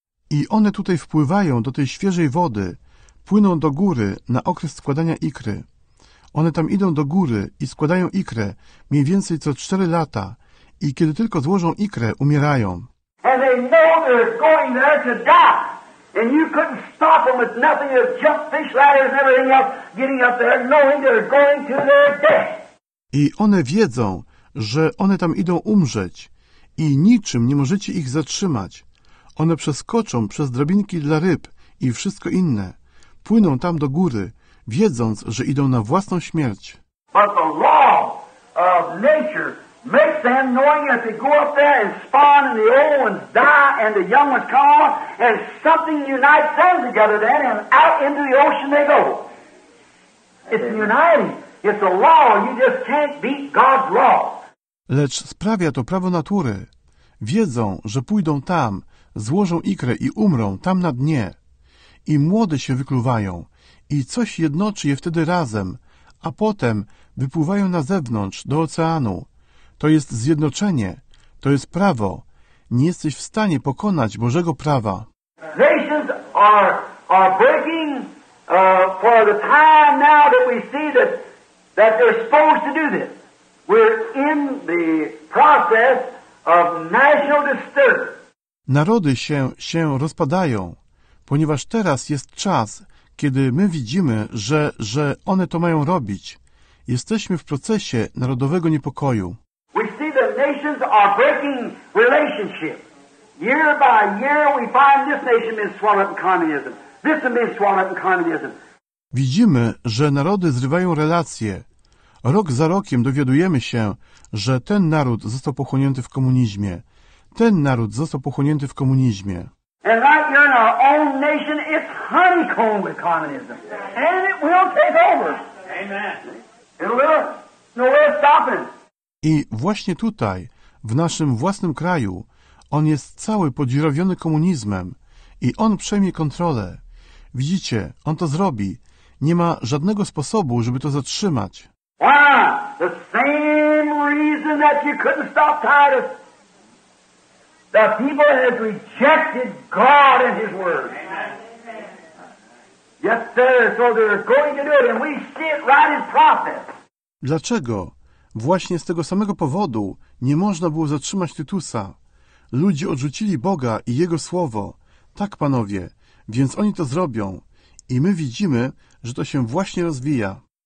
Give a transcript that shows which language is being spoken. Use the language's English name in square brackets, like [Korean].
[Polish] I one tutaj wpływają do tej świeżej wody, płyną do góry na okres składania ikry. One tam idą do góry i składają ikrę mniej więcej co 4 lata i kiedy tylko złożą ikrę, umierają. [English] And they know they're going there to die. And you couldn't stop them with nothing, you jump fish ladders and everything else, getting up there, knowing they're going to their death. [Polish] I one wiedzą, że one tam idą umrzeć i niczym nie możecie ich zatrzymać. One przeskoczą przez drabinki dla ryb i wszystko inne. Płyną tam do góry, wiedząc, że idą na własną śmierć. [English] But the law of nature makes them knowing that they go up there and spawn and the old ones die and the young ones come on and something unites them together then and out into the ocean they go. It's uniting. It's a law. You just can't beat God's law. [Polish] Lecz sprawia to prawo natury. Wiedzą, że pójdą tam, złożą ikrę i umrą tam na dnie. I młode się wykluwają i coś jednoczy je wtedy razem, a potem wypływają na zewnątrz do oceanu. To jest zjednoczenie, to jest prawo, nie jesteś w stanie pokonać Bożego prawa. [English] Nations are breaking for the time now that we see that they're supposed to do this. We're in the process of national disturbance. [Polish] Narody się rozpadają, ponieważ teraz jest czas, kiedy my widzimy, że one to mają robić. Jesteśmy w procesie narodowego niepokoju. [English] We see that nations are breaking relationships. Year by year we find this nation being swallowed up in communism. This one being swallowed up in communism. [Polish] Widzimy, że narody zrywają relacje. Rok za rokiem dowiadujemy się, że ten naród został pochłonięty w komunizmie. Ten naród został pochłonięty w komunizmie. [English] And right here in our own nation, it's honeycombed with communism. And it will take over. Amen. It will. No way of stopping. [Polish] I właśnie tutaj, w naszym własnym kraju, on jest cały podziurawiony komunizmem i on przejmie kontrolę. Widzicie, on to zrobi. Nie ma żadnego sposobu, żeby to zatrzymać. [English] Why? The same reason that you couldn't stop Titus. The people have rejected God and His Word. Amen. Yes, sir. So they're going to do it, and we see it right in process. [Polish] Dlaczego? Właśnie z tego samego powodu nie można było zatrzymać Tytusa. Ludzie odrzucili Boga i Jego słowo. Tak, panowie, więc oni to zrobią. I my widzimy, że to się właśnie rozwija.